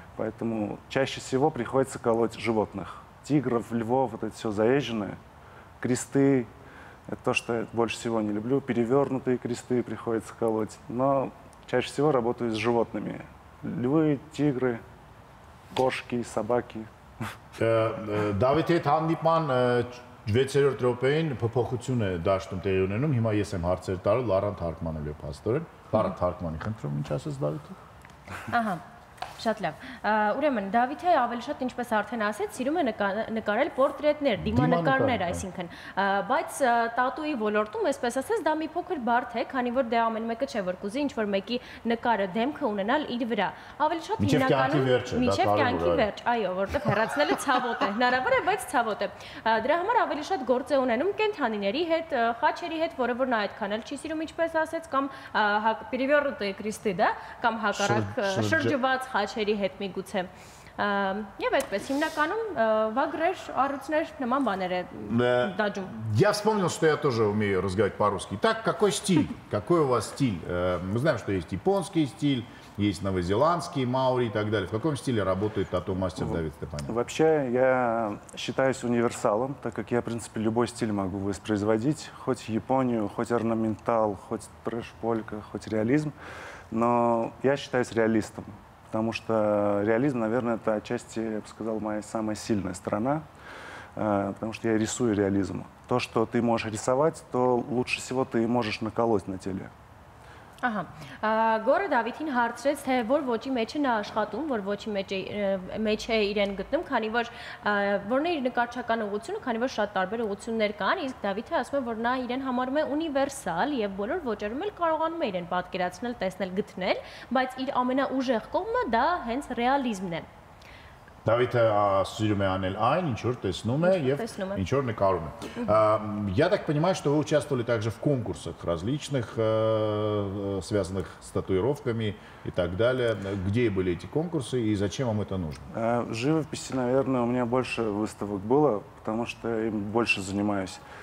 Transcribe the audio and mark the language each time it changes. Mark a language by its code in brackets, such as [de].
[ru] Поэтому чаще всего приходится колоть животных. Тигров, львов, вот это все заезженное. Кресты. Это то, что я больше всего не люблю. Перевернутые кресты приходится колоть. Но чаще всего работаю с животными. Львы, тигры, кошки, собаки. Давид, это Андипан. [hy] 6-րդ րոպեին փոփոխություն է դաշտում տեղի ունենում։ Հիմա ես եմ հարցեր տալու Լարան Թարգմանելու փաստորեն։ Լարան Թարգմանի, խնդրում, ինչ ասես Դավիթին։ Ահա, շատ լավ։ Ուրեմն, Դավիթը ավելի շատ, ինչպես արդեն ասեց, սիրում է նկարել պորտրետներ, դիմանկարներ, այսինքն։ Բայց տատուի ոլորտում, այսպես ասես, դա մի փոքր բարդ է, քանի որ դա ամեն մեկը չէ, որ կուզի ինչ-որ մեկի նկարը, դեմքը ունենալ իր վրա։ Ավելի շատ հիմնականում միջև կյանքի վերջ, այո, որտեղ հեռացնելը ցավոտ է, հնարավոր է, բայց ցավոտ է։ Դրա համար ավելի շատ գործ է ունենում կենթանիների հետ, խաչերի հետ, որը որ նա այդքան էլ չի սիրում, ինչպես ասեց, կամ [ru] պերիվերտը քրիստի, [hy] դա, կամ հակառակ շրջված խաչերի հետ մի գուցե։ Եվ այդպես հիմնականում վագրեր, առուցներ, նման բաներ է դաջում։ [ru] Я вспомнил, что я тоже умею разговаривать по-русски. Так, какой стиль? Какой у вас стиль? Мы знаем, что есть японский стиль, есть новозеландский, маори и так далее. В каком стиле работает тату-мастер Давид Степанин? Вообще, я считаюсь универсалом, так как я, в принципе, любой стиль могу воспроизводить. Хоть Японию, хоть орнаментал, хоть трэш-полька, хоть реализм. Но я считаюсь реалистом. Потому что реализм, наверное, это отчасти, я бы сказал, моя самая сильная сторона. Потому что я рисую реализм. То, что ты можешь рисовать, то лучше всего ты можешь наколоть на теле. Ага. [hy] Գորը Դավիթին հարցրեց, թե որ ոճի մեջ է նա աշխատում, որ ոճի մեջ է իրեն գտնում, քանի որ որն է իր նկարչական ուղղությունը, քանի որ շատ տարբեր ուղղություններ կան, իսկ Դավիթը ասում է, որ նա իրեն համարում է ունիվերսալ եւ բոլոր ոճերում էլ կարողանում է իրեն պատկերացնել, տեսնել, գտնել, բայց իր ամենաուժեղ կողմը դա հենց ռեալիզմն է։ Դավիթը սիրում է անել այն, ինչ որ տեսնում է եւ ինչ որ նկարում է։ [ru] Я так понимаю, что вы участвовали также в конкурсах различных, связанных с татуировками и так далее. Где были эти конкурсы и зачем вам это нужно? Живописи, наверное, у меня больше выставок было, потому что им больше занимаюсь.